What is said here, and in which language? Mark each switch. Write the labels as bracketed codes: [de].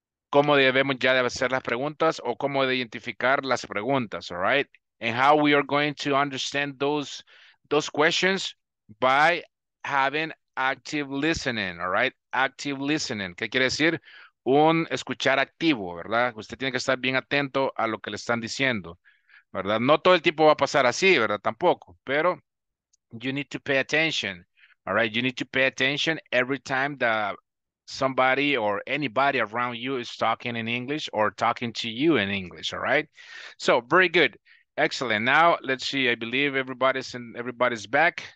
[es] cómo debemos ya de hacer las preguntas o cómo de identificar las preguntas, [en] all right? And how we are going to understand those questions by having active listening, all right? Active listening. [es] ¿Qué quiere decir? Un escuchar activo, ¿verdad? Usted tiene que estar bien atento a lo que le están diciendo, ¿verdad? No todo el tiempo va a pasar así, ¿verdad? Tampoco, pero [en] you need to pay attention, all right? You need to pay attention every time that somebody or anybody around you is talking in English or talking to you in English, all right? So, very good. Excellent. Now, let's see. I believe everybody's back.